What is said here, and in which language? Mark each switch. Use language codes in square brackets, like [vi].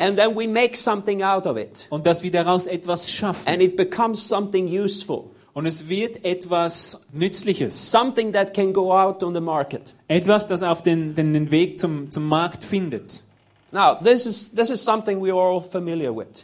[en] and then we make something out of it, [de] und dass wir daraus etwas schaffen, [en] and it becomes something useful, [de] und es wird etwas Nützliches, [en] something that can go out on the market, [de] etwas, das auf den Weg zum Markt findet. [en] Now this is something we are all familiar with.